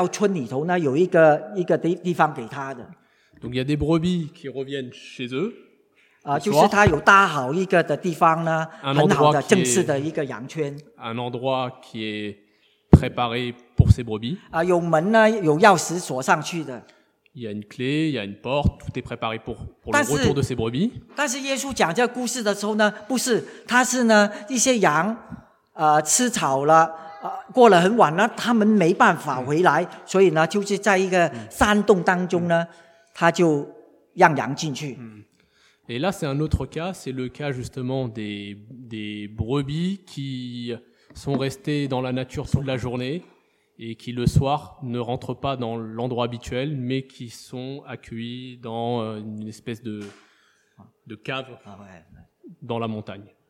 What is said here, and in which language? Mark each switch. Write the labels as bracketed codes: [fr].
[zh] 就是说呢，有些羊呢，它晚上，然后它回到村里头呢，有一个地方给它的. [fr] Donc il y a des brebis qui reviennent chez eux. [zh] 就是它有搭好一个的地方呢，很好的正式的一个羊圈. [fr] Un endroit qui est préparé pour ces brebis. [zh] 有门呢，有钥匙锁上去的. [fr] Il y a une clé, il y a une porte, tout est préparé pour le retour de ces brebis. [zh] 但是耶稣讲这个故事的时候呢，不是，他是呢，一些羊吃草了，过了很晚呢，他们没办法回来，所以呢，就是在一个山洞当中呢，他就让羊进去。 [fr] Et là, c'est un autre cas, c'est le cas justement des brebis qui sont restées dans la nature toute la journée et qui le soir ne rentrent pas dans l'endroit habituel, mais qui sont accueillies dans une espèce de cave dans la montagne.